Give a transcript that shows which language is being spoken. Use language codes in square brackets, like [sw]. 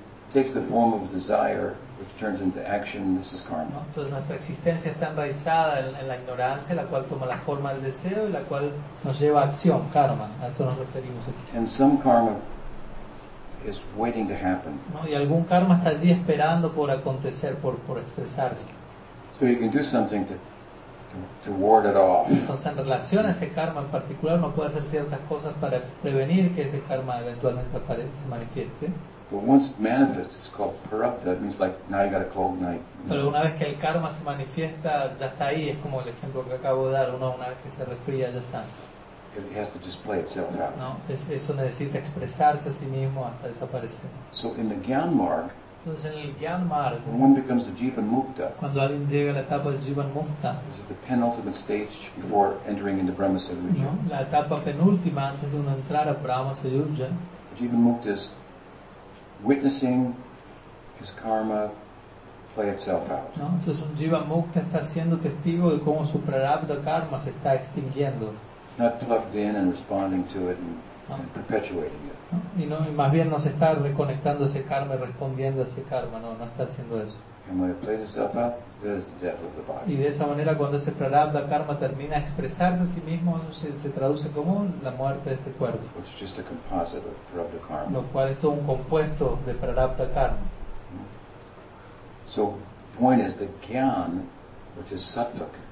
[en] It takes the form of desire, which turns into action. This is karma. No, [es] entonces nuestra existencia está enraizada en la ignorancia, la cual toma la forma del deseo y la cual nos lleva a acción, karma. A esto nos referimos aquí. [en] And some karma is waiting to happen. [es] No, y algún karma está allí esperando por acontecer, por expresarse. [en] So you can do something to ward it off. [es] Entonces, en relación a ese karma en particular, uno puede hacer ciertas cosas para prevenir que ese karma eventualmente aparezca, se manifieste. [en] But once it manifests, it's called parupta. It means like now you got a cold night. [es] Pero una vez que el karma se manifiesta, ya está ahí. Es como el ejemplo que acabo de dar. Uno una vez que se resfría, ya está. [en] It has to display itself out. [es] No, eso necesita expresarse a sí mismo hasta desaparecer. [en] So in the Gyan Marg. [es] Entonces en el Gyan Marg, [en] when one becomes a Jivan Mukta, [es] cuando alguien llega a la etapa de Jivan Mukta, [en] this is the penultimate stage before entering into Brahma Saryuja. [es] No, la etapa penúltima antes de uno entrar a Brahma Saryuja. [en] Jivan Mukta is witnessing his karma play itself out. [es] No, entonces un Jivan Mukta está siendo testigo de cómo su prarabdha karma se está extinguiendo. [en] Not plugged in and responding to it. And perpetuating it. [es] Y no, y más bien no se está reconectando ese karma, respondiendo a ese karma, no está haciendo eso. [en] And when it plays itself out, there's the death of the body. [es] Y de esa manera, cuando ese prarabdha karma termina a expresarse a sí mismo, se traduce como la muerte de este cuerpo. [en] Which is just a composite of prarabdha karma. [es] Lo cual es todo un compuesto de prarabdha karma. [en] So, point is the gyan, which is sattvic.